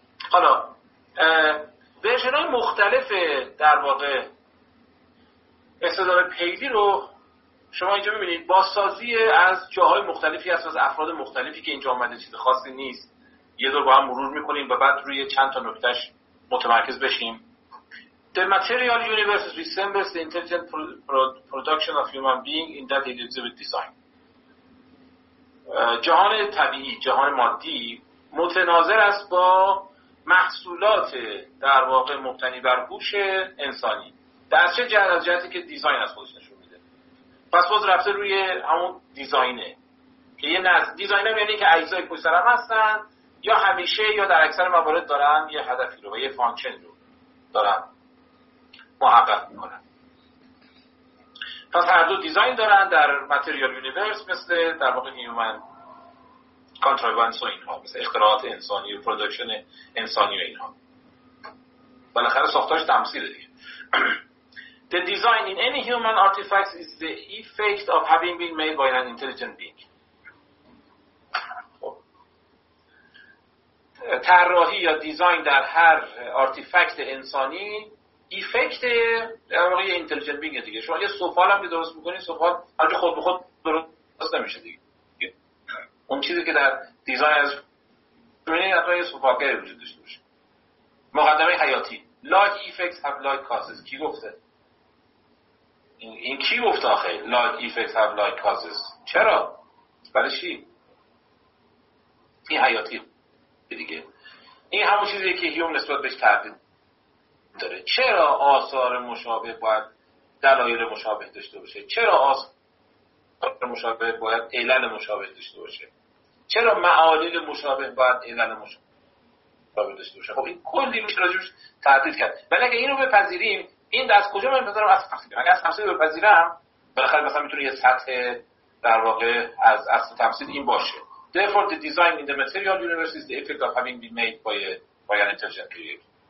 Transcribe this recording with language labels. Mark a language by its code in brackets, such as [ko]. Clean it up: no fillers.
[fa] حالا ورژن‌های مختلف در واقع استدلال پیدی رو شما اینجا می‌بینید بازسازی از جاهای مختلفی هست از افراد مختلفی که اینجا اومده چیز خاصی نیست. یه دور با هم مرور می‌کنیم و بعد روی چند تا نکتهش متمرکز بشیم. [en] The material universe resembles the intelligent production of human being in that it exhibit design. [fa] جهان طبیعی، جهان مادی متناظر است با محصولات در واقع مبتنی بر هوش انسانی. در چه جهت؟ از جهتی که دیزاین از خودش نشون میده. پس باز رفته روی همون دیزاینه. که یه نزد دیزاین هم یعنی که اجزای پشت هم هستن یا همیشه یا در اکثر موارد دارن یه هدفی رو و یه فانکشن رو دارن محقق میکنن. پس هر دو دیزاین دارن در متریال یونیورس مثل در واقع هیومن کانترایوانس و اینها مثل اختراعات انسانی و پروداکشن انسانی و اینها. بالاخره ساختارش تمثیله دیگه. [en] The design in any human artifacts is the effect of having been made by an intelligent being. [fa] طراحی یا دیزاین در هر آرتیفکت انسانی ایفکت در واقع اینتلیجنت بینگ دیگه. شما یه سفال هم درست می‌کنید، سفال هر خود به خود درست نمیشه دیگه. اون چیزی که در دیزاین از ببینید حتما یه سفالگر وجود داشته باشه. مقدمه حیاتی لایک ایفکتس هاف لایک کازز. کی گفته این کی گفته آخه لایک ایفکتس هاف لایک کازز؟ چرا برای چی این حیاتی دیگه؟ این همون چیزیه که هیوم نسبت بهش تعبیر داره. چرا آثار مشابه باید دلایل مشابه داشته باشه؟ چرا آثار مشابه باید علل مشابه داشته باشه؟ چرا معالل مشابه باید علل مشابه داشته باشه؟ خب این کلی میشه راجبش تعبیر کرد. ولی اگه اینو بپذیریم این دست کجا من بذارم اصل تمثیل بگم؟ اگه اصل تمثیل بپذیرم بالاخره مثلا میتونه یه سطح در واقع از اصل تمثیل این باشه. [en] Therefore, the design in the material universe is the effect of having been made by an intelligent creator.